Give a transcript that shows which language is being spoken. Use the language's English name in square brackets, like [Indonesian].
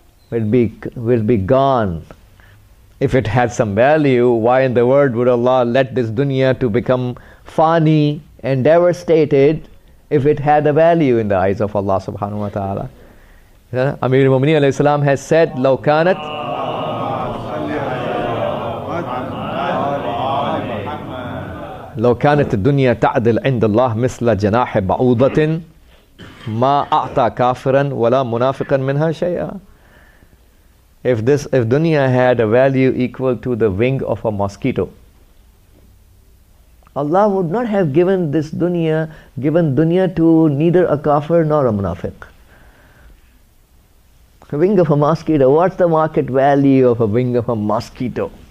[English] Will be gone. If it had some value, why in the world would Allah let this dunya to become fani and devastated if it had a value in the eyes of Allah subhanahu wa ta'ala? Amir al-Mumineen alayhi salam has said, [Arabic] لو كانت لو كانت الدنيا تعدل عند الله مثل جناح بعوضة ما أعطى كافرا ولا منافقا منها شيئا. [English] If dunya had a value equal to the wing of a mosquito, Allah would not have given dunya to neither a kafir nor a munafiq. A wing of a mosquito, what's the market value of a wing of a mosquito?